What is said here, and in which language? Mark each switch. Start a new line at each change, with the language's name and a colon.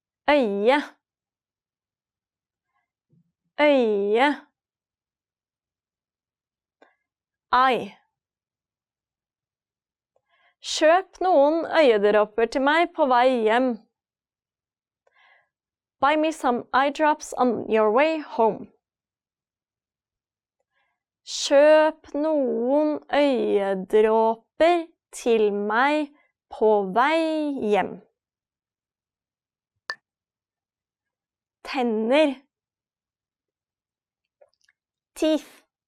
Norwegian: Øye. Øye.
English: Eye.
Norwegian: Kjøp noen øyedråper til meg på vei hjem.
English: Buy me some eye drops on your way home.
Norwegian: Kjøp noen øyedråper til meg på vei hjem. Tenner.
English: Teeth.